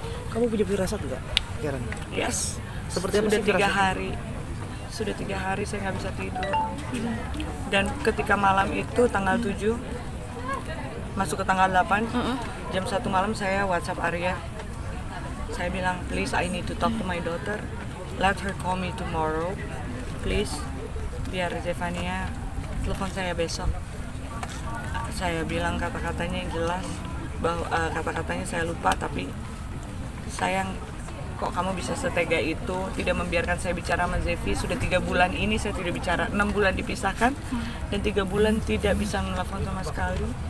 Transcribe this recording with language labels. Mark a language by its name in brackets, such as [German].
[Indonesian] Kamu punya firasat juga, Karen? [English] Yes. [Indonesian] Seperti apa sudah tiga hari. Sudah 3 hari saya nggak bisa tidur. Dan ketika malam itu tanggal 7 masuk ke tanggal 8, jam 1 malam saya WhatsApp Arya. Saya bilang, [English] please I need to talk to my daughter. Let her call me tomorrow, please. [Indonesian] Biar Zevania telepon saya besok. Saya bilang kata-katanya yang jelas, bahwa kata-katanya saya lupa, tapi sayang, kok kamu bisa setega itu tidak membiarkan saya bicara sama Zevi. Sudah 3 bulan ini saya tidak bicara, 6 bulan dipisahkan, dan 3 bulan tidak bisa menelpon sama sekali.